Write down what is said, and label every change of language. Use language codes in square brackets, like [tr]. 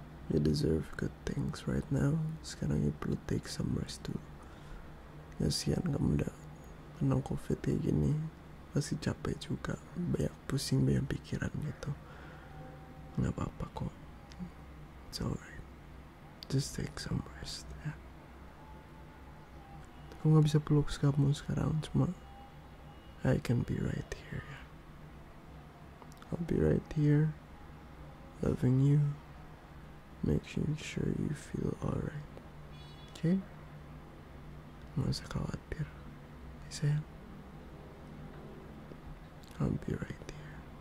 [en] You deserve good things right now. Sekarang you perlu take some rest too. [id] Kasihan kamu udah kena COVID kayak gini, pasti capek juga, banyak pusing, banyak pikiran gitu. Gak apa-apa kok, [en] it's alright, just take some rest [id] ya. Aku gak bisa peluk kamu sekarang, cuma [en] I can be right here [id] ya. [en] I'll be right here, loving you, making sure you feel alright, okay? [id] Nggak usah khawatir, sayang. [en] I'll be right here.